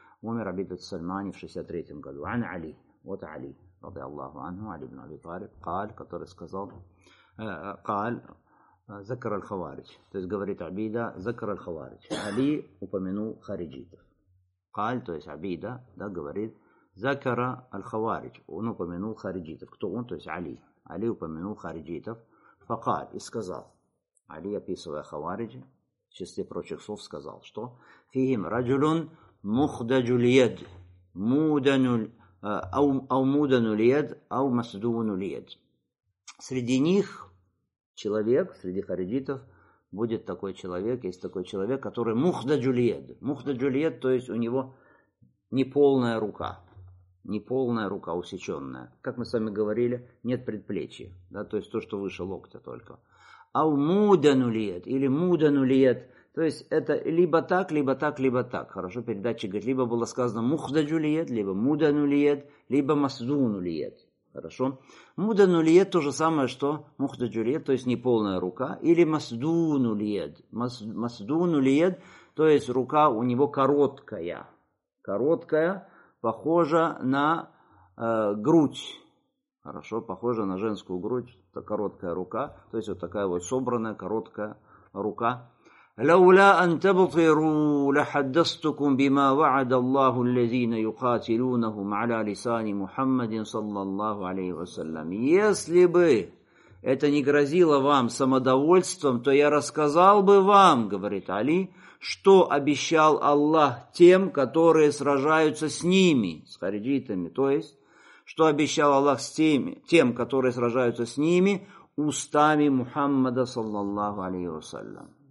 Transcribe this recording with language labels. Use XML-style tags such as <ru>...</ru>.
<ru>Умер Абида Ас-Сальмани в 63-м году. Ан Али. Вот Али,</ru> <ar>رضي الله عنه,</ar> <ru>Али ибн Аби Талиб, قال, который сказал, قال,</ru> <ar>ذكر الخوارج.</ar> <ru>То есть говорит Абида,</ru> <ar>ذكر الخوارج.</ar> <ru>Али упомянул хариджитов. قال, то есть Абида, да, говорит,</ru> <ar>ذكر الخوارج.</ar> <ru>Он упомянул хариджитов. Кто он? То есть Али. Али упомянул хариджитов. فقال, и сказал. Али, описывая хавариджи, в числе прочих слов сказал, что</ru> <ar>فيهم رجل مخدج اليد مودن او مودن اليد او مسدون اليد.</ar> <ru>Среди них человек, среди хариджитов, будет такой человек, есть такой человек, который мухдаджульед. Мухдаджульед, то есть у него неполная рука. Неполная рука, усеченная. Как мы с вами говорили, нет предплечья. Да, то есть то, что выше локтя только. Ау мудан улиед, или мудан улиед. То есть это либо так, либо так, либо так. Хорошо, передатчик говорит, либо было сказано мухдаджулиед, либо муданулиед, либо масдунулиед. Хорошо. Муданулиед то же самое, что мухдаджулиед, то есть неполная рука. Или масдунулиед. Масдунулиед, то есть рука у него короткая. Короткая, похожа на грудь. Хорошо, похожа на женскую грудь. Это короткая рука. То есть вот такая вот собранная короткая рука.</ru> <ar>لولا أن تبطروا لحدثتكم بما وعد الله الذين يقاتلونهم على لسان محمد صلى الله عليه وسلم.</ar> <ru>Если бы это не грозило вам самодовольством, то я рассказал бы вам, говорит Али, что обещал Аллах тем, которые сражаются с ними, с харидитами, то есть, что обещал Аллах с теми, тем, которые сражаются с ними, устами Мухаммада, саллаллаху алейхи вассалям.</ru>